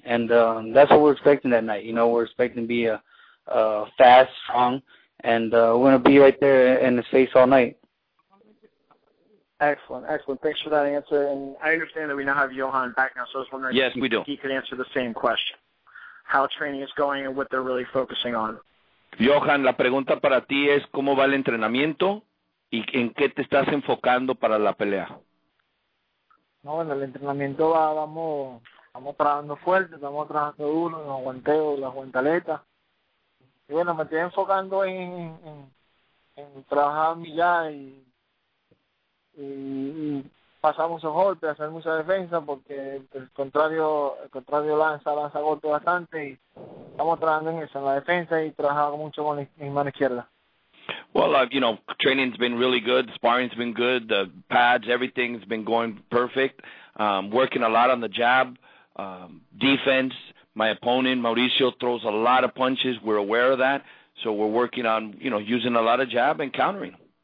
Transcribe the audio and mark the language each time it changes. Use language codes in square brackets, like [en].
[en] And that's what we're expecting that night. You know, we're expecting to be fast, strong, and we're going to be right there in his face all night. Excellent. Thanks for that answer. And I understand that we now have Johan back now, so I was wondering if he could answer the same question, how training is going and what they're really focusing on. [es] Johan, la pregunta para ti es cómo va el entrenamiento y en qué te estás enfocando para la pelea. No, bueno, el entrenamiento vamos trabajando fuerte, estamos trabajando duro, los guanteos, las guantaletas. Y bueno, me estoy enfocando en, en, en trabajar ya y pasamos un golpe, hacer mucha defensa, porque el contrario lanza golpe bastante, y estamos trabajando en eso, en la defensa, y trabajando mucho con mi mano izquierda. [en] Well, you know, training's been really good, sparring's been good, the pads, everything's been going perfect. Working a lot on the jab, defense. My opponent, Mauricio, throws a lot of punches. We're aware of that. So we're working on, you know, using a lot of jab and countering.